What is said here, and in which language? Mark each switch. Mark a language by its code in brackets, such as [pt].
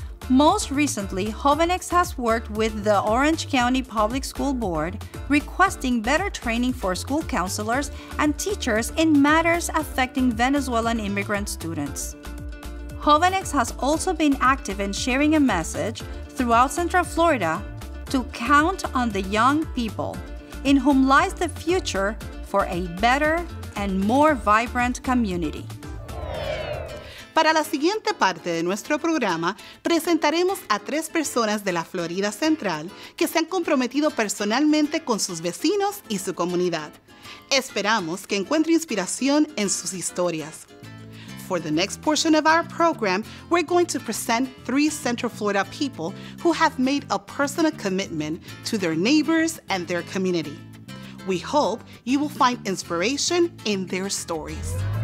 [en] Most recently, Jovenex has worked with the Orange County Public School Board, requesting better training for school counselors and teachers in matters affecting Venezuelan immigrant students. Jovenex has also been active in sharing a message throughout Central Florida to count on the young people, in whom lies the future for a better and more vibrant community. [es] Para la siguiente parte de nuestro programa, presentaremos a tres personas de la Florida Central que se han comprometido personalmente con sus vecinos y su comunidad. Esperamos que encuentre inspiración en sus historias. [en] For the next portion of our program, we're going to present three Central Florida people who have made a personal commitment to their neighbors and their community. We hope you will find inspiration in their stories.